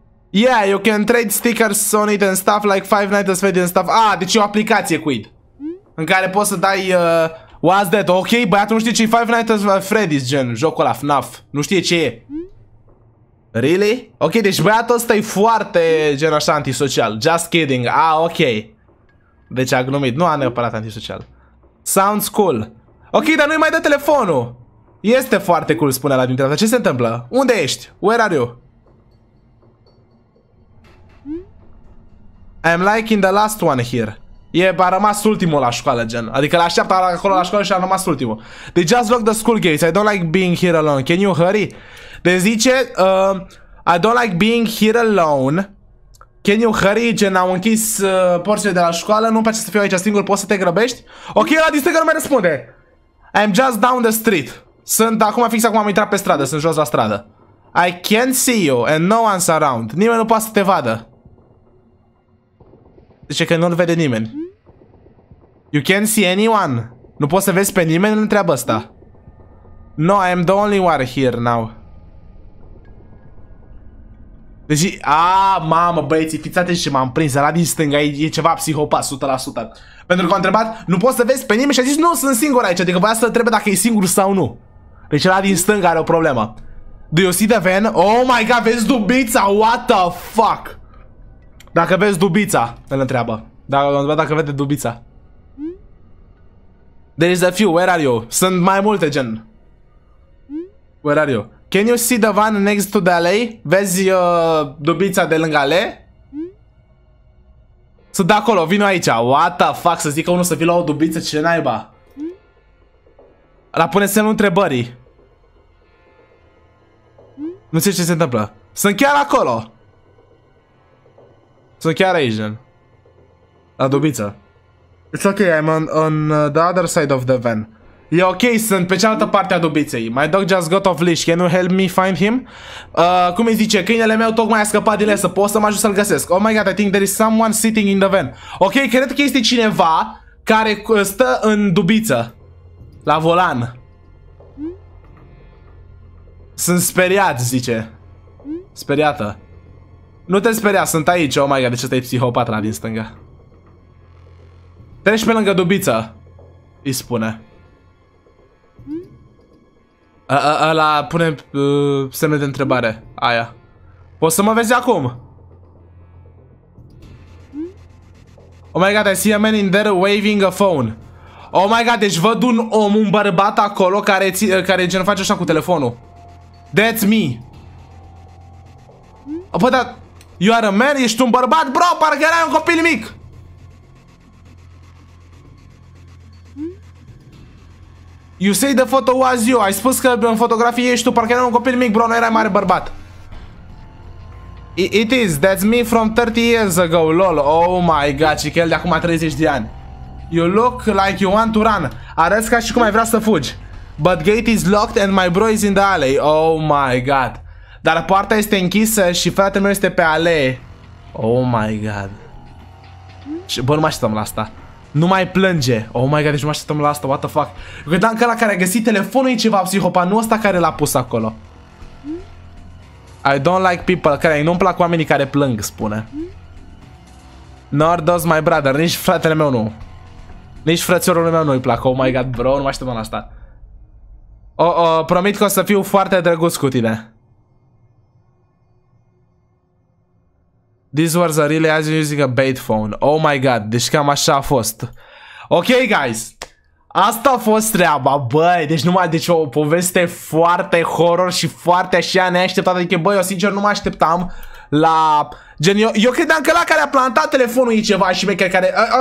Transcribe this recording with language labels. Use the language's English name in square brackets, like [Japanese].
[English] Yeah, you can trade stickers on it and stuff, like Five Nights at Freddy's and stuff. [Romanian] Ah, deci e o aplicație quid. În care poți să dai... [English] What's that? [Romanian] Ok, băiatul nu știe ce e Five Nights at Freddy's, gen, jocul ăla, FNAF. Nu știe ce e. Really? Ok, deci băiatul ăsta e foarte gen așa antisocial. [English] Just kidding. [Romanian] Ah, ok. Deci a glumit. Nu a neapărat antisocial. [English] Sounds cool. [Romanian] Ok, dar nu-i mai dă telefonul. Este foarte cool, spune la dintre asta. Ce se întâmplă? Unde ești? [English] Where are you? I'm liking the last one here. [Romanian] E, a rămas ultimul la școală, gen. Adică l-așteaptă acolo la școală și a rămas ultimul. [English] They just locked the school gates. I don't like being here alone. Can you hurry? [Romanian] De zice, [English] I don't like being here alone. Can you hurry? [Romanian] Gen, au închis porțile de la școală. Nu-mi place să fiu aici singur. Poți să te grăbești? Ok, ăla din stânga nu mai răspunde. [English] I'm just down the street. [Romanian] Sunt acum, fix acum am intrat pe stradă. Sunt jos la stradă. [English] I can't see you and no one's around. [Romanian] Nimeni nu poate să te vadă. Zice că nu-l vede nimeni. [English] You can't see anyone. [Romanian] Nu poți să vezi pe nimeni? Îl întreabă ăsta. [English] No, I'm the only one here now. [Romanian] Deci, mamă, băieții, fiți atenți ce m-am prins. Ăla din stânga e ceva psihopat, 100%. Pentru că a întrebat, nu poți să vezi pe nimeni? Și a zis, nu, sunt singur aici. Adică băia să întrebe dacă e singur sau nu. Deci ăla din stânga are o problemă. [English] Do you see the van? [Romanian] Oh my god, vezi dubița? [English] What the fuck? [Romanian] Dacă vezi dubița, îl întreabă. Dacă vede dubița. [English] There is a few, where are you? [Romanian] Sunt mai multe, gen. [English] Where are you? Can you see the van next to the alley? [Romanian] Vezi dubița de lângă alley? Sunt de acolo, vină aici. [English] What the fuck, [Romanian] să zică unul să vii la o dubiță, ce naiba? La pune semnul întrebării. Nu știu ce se întâmplă. Sunt chiar acolo. Sunt chiar aici, gen. La dubiță. [English] It's ok, I'm on the other side of the van. [Romanian] E ok, sunt pe cealaltă parte a dubiței. [English] My dog just got off leash, can you help me find him? [Romanian] Cum îi zice, câinele meu tocmai a scăpat din lesă, pot să mă ajut să-l găsesc? [English] Oh my god, I think there is someone sitting in the van. [Romanian] Ok, cred că este cineva care stă în dubiță. La volan. Sunt speriat, zice. Speriată. Nu te speria, sunt aici, oh my god, de ce stai psihopat la din stânga? Treci pe lângă dubiță, îi spune. Ăla pune semne de întrebare, aia. Poți să mă vezi acum? [English] Oh my god, I see a man in there waving a phone. Oh my god, [Romanian] deci văd un om, un bărbat acolo care gen face așa cu telefonul. [English] That's me. [Romanian] Apă, dar... [English] You are a man? [Romanian] Ești un bărbat? Bro, parcă erai un copil mic! [English] You say the photo was you. [Romanian] Ai spus că în fotografie ești tu, parcă erai un copil mic, bro, nu erai mare bărbat. [English] It is, that's me from 30 years ago, lol. [Romanian] Oh my god, și el de acum 30 de ani. [English] You look like you want to run. [Romanian] Arăți ca și cum ai vrea să fugi. [English] But gate is locked and my bro is in the alley. Oh my god. [Romanian] Dar poarta este închisă și fratele meu este pe alee. Oh my god. Bă, nu mă așteptam la asta. Nu mai plânge. Oh my god, deci nu mă așteptam la asta, what the fuck. Eu credeam că ăla care a găsit telefonul e ceva psihopat, nu ăsta care l-a pus acolo. [English] I don't like people, [Romanian] care nu-mi plac oamenii care plâng, spune. [English] Nor does my brother, [Romanian] nici fratele meu nu. Nici frățiorul meu nu-i plac, oh my god, bro, nu mă așteptam la asta. Promit că o să fiu foarte drăguț cu tine. [English] This was a really as using a bait phone. [Romanian] Oh my god, deci cam așa a fost. Ok, guys. Asta a fost treaba, băi. Deci numai, deci o poveste foarte horror și foarte așa neașteptată. Adică, băi, eu sincer nu mă așteptam la... Gen, eu credeam că ăla care a plantat telefonul e ceva șmecher care...